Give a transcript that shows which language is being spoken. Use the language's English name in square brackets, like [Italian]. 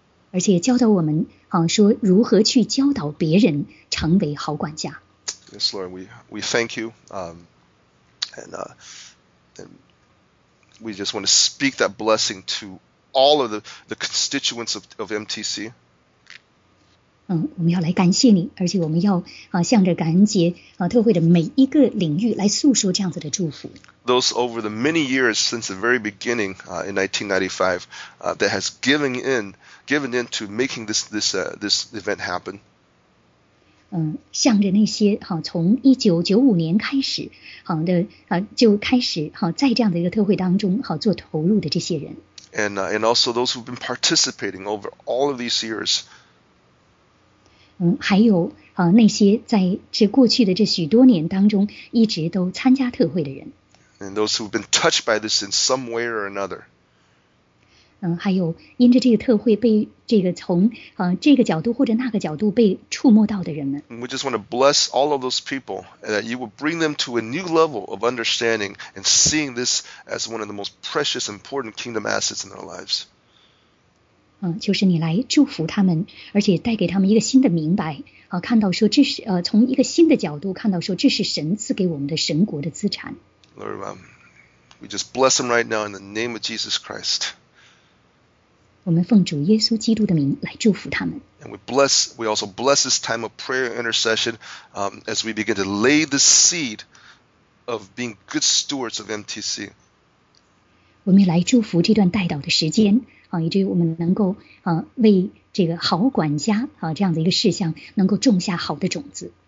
[Chinese] 而且教导我们、啊、说如何去教导别人成为好管家。 [English] Yes, Lord, we thank you. And we just want to speak that blessing to all of the constituents of MTC.、 [Chinese] 嗯、我们要来感谢你，而且我们要、啊、向着感恩节、啊、特会的每一个领域来诉说这样子的祝福。 [English] Those over the many years since the very beginning in 1995 that has given in to making this event happen. [Chinese] 向着那些、啊、从1995年开始、啊的啊、就开始、啊、在这样的一个特会当中、啊、做投入的这些人。 [English] And also those who've been participating over all of these years.、 [Chinese] 嗯、还有、啊、那些在这过去的这许多年当中一直都参加特会的人。 [English] And those who've been touched by this in some way or another. [Chinese] 嗯，还有因着这个特会被这个从啊、这个角度或者那个角度被触摸到的人们。 [English] And we just want to bless all of those people that you will bring them to a new level of understanding and seeing this as one of the most precious, important kingdom assets in their lives. [Chinese] 嗯，就是你来祝福他们，而且带给他们一个新的明白，啊，看到说这是从一个新的角度看到说这是神赐给我们的神国的资产。 [English] Lord, we just bless them right now in the name of Jesus Christ. [Chinese] 我们奉主耶稣基督的名来祝福他们。 [English] And we also bless this time of prayer and intercession as we begin to lay the seed of being good stewards of MTC. [Chinese] 我们来祝福这段代祷的时间、啊、以至于我们能够、啊、为这个好管家、啊、这样的一个事项能够种下好的种子。